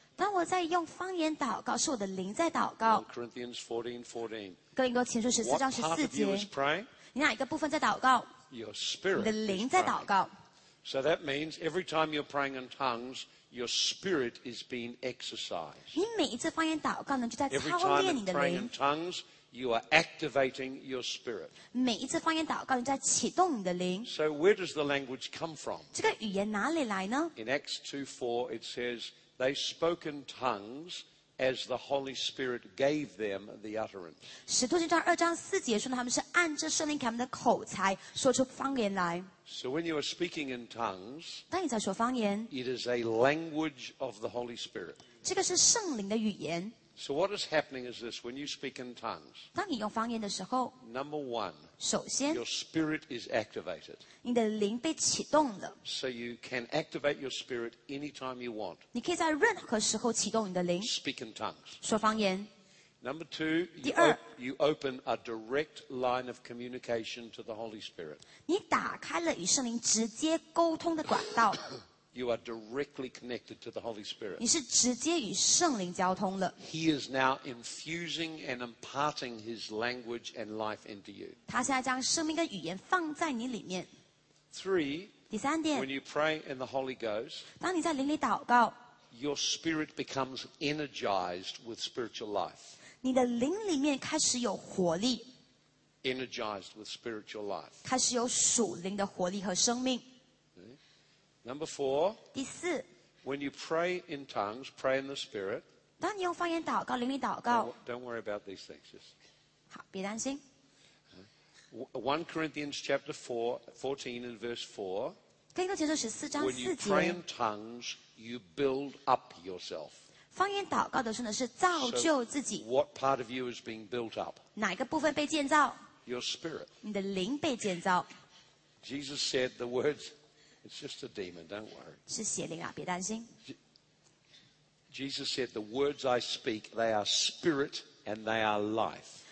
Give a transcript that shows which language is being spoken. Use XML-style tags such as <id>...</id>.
<zh>当我在用方言祷告，是我的灵在祷告。</zh> <en>1 Corinthians 14:14.</en> <zh>哥林多前书十四章十四节。</zh> <en>What part of you is praying?</en> <zh>你哪一个部分在祷告</zh> <en>？Your spirit.</en> <zh>你的灵在祷告。</zh> <en>So that means every time you're praying in tongues, your spirit is being exercised.</en> <zh>你每一次方言祷告呢，就在操练你的灵。</zh> <en>Every time you're praying in tongues, you are activating your spirit.</en> <zh>每一次方言祷告，你在启动你的灵。</zh> <en>So where does the language come from?</en> <zh>这个语言哪里来呢</zh> <en>？In Acts 2:4, it says. They spoke in tongues as the Holy Spirit gave them the utterance.</en> <zh>使徒行传二章四节说呢，他们是按着圣灵给他们的口才说出方言来。</zh> <en>So when you are speaking in tongues,</en> <zh>当你在说方言</zh> <en>it is a language of the Holy Spirit.</en> <zh>这个是圣灵的语言。</zh> <en>So what is happening is this: when you speak in tongues,</en> <zh>当你用方言的时候</zh> <en>number one,</en> <zh>首先</zh> <en>your spirit is activated.</en> <zh>你的灵被启动了。</zh> <en>So you can activate your spirit anytime you want.</en> <zh>你可以在任何时候启动你的灵。</zh> <en>Speak in tongues.</en> <zh>说方言。</zh> <en>Number two, you open a direct line of communication to the Holy Spirit.</en> <zh>你打开了与圣灵直接沟通的管道。</zh> <en>You are directly connected to the Holy Spirit.</en> <zh>你是直接与圣灵交通了。</zh> <en>He is now infusing and imparting His language and life into you.</en> <zh>他现在将生命跟语言放在你里面。</zh> <en>Three.</en> <zh>第三点。</zh> <en>When you pray in the Holy Ghost.</en> <zh>当你在灵里祷告。</zh> <en>Your spirit becomes energized with spiritual life.</en> <zh>你的灵里面开始有活力。</zh> <en>Energized with spiritual life.</en> <zh>开始有属灵的活力和生命。</zh> <en>Number four.</en> <zh>第四</zh> <en>When you pray in tongues, pray in the spirit.</en> <zh>当你用方言祷告，灵里祷告。</zh> <en>Don't worry about these things. Just...</en> <zh>好，别担心。</zh> <en>1 Corinthians chapter 14 and verse 4.</en> <zh>哥林多前书十四章四节。</zh> <en>When you pray in tongues, you build up yourself.</en> <zh>方言祷告的时候呢，是造就自己。</zh> <en>So, what part of you is being built up?</en> <zh>哪一个部分被建造</zh> <en>？Your spirit.</en> <zh>你的灵被建造。</zh> <en>Jesus said the words. It's just a demon, don't worry.</en> <zh>是邪灵啊，别担心。</zh> <en>Jesus said, "The words I speak, they are spirit and they are life."</en>